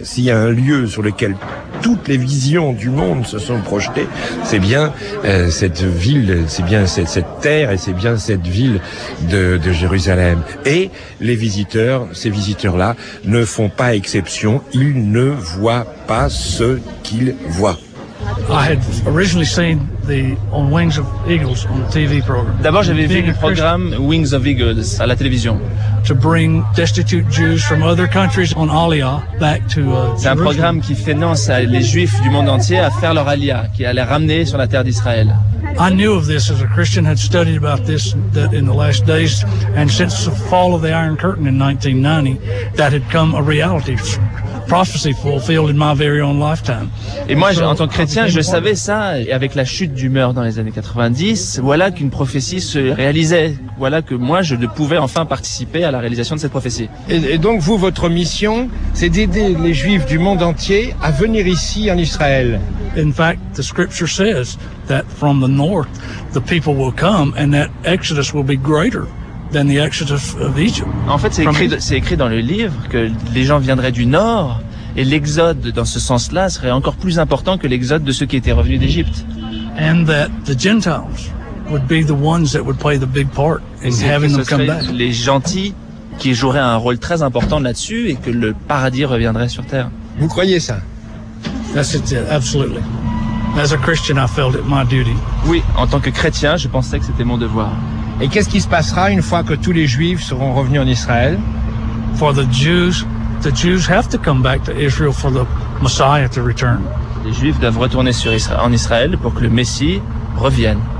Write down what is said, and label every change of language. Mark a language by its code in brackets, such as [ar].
[fr] S'il y a un lieu sur lequel toutes les visions du monde se sont projetées, c'est bien cette ville, c'est bien cette terre, et c'est bien cette ville de Jérusalem. Et les visiteurs, ces visiteurs-là, ne font pas exception. Ils ne voient pas ce qu'ils voient. [en] I had originally seen the On Wings of Eagles on the TV program. [fr] D'abord, j'avais vu le programme Wings of Eagles à la télévision. [en] To bring destitute Jews from other countries on Aliyah back to Jerusalem. [fr] C'est un programme qui finance les Juifs du monde entier à faire leur Aliyah, qui allait ramener sur la terre d'Israël. [en] I knew of this as a Christian, had studied about this in the last days, and since the fall of the Iron Curtain in 1990, that had come a reality. Prophecy fulfilled in my very own lifetime. [fr] Et moi, en tant que chrétien, je savais ça. Et avec la chute du mur dans les années 90, voilà qu'une prophétie se réalisait. Voilà que moi, je pouvais enfin participer à la réalisation de cette prophétie. Et donc, vous, votre mission, c'est d'aider les Juifs du monde entier à venir ici en Israël. [en] In fact, the scripture says that from the north, the people will come and that Exodus will be greater. Than the exodus of Egypt. [fr] En fait, c'est écrit dans le livre que les gens viendraient du nord et l'exode, dans ce sens-là, serait encore plus important que l'exode de ceux qui étaient revenus d'Égypte. [en] And that the Gentiles would be the ones that would play the big part in having them come back. [fr] Les gentils qui joueraient un rôle très important là-dessus et que le paradis reviendrait sur terre. Vous croyez ça? [en] That's it, absolutely. As a Christian, I felt it my duty. [fr] Oui, en tant que chrétien, je pensais que c'était mon devoir. Et qu'est-ce qui se passera une fois que tous les Juifs seront revenus en Israël? [en] For the Jews have to come back to Israel for the Messiah to return. [fr] Les Juifs doivent retourner en Israël pour que le Messie revienne.